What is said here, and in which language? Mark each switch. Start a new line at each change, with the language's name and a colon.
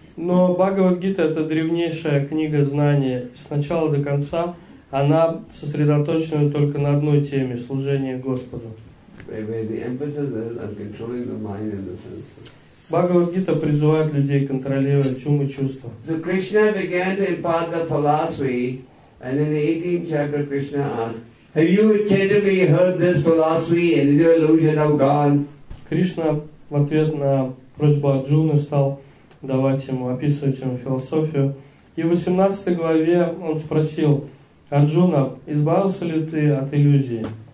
Russian: Но Бхагавад Гита это древнейшая книга знания. С начала до конца она сосредоточена только на одной теме — служение Господу.
English: The emphasis is on controlling the mind and the senses.
Russian: Бхагавад Гита призывает людей контролировать ум и чувства.
English: So Krishna began to impart the philosophy, and in the 18th chapter, Krishna asked, "Have you attentively heard this philosophy, and is your illusion now gone?"
Russian: Кришна в ответ на просьбу Арджуны стал давать ему, описывать ему философию. И в 18 главе он спросил Арджуна, избавился ли ты от иллюзии?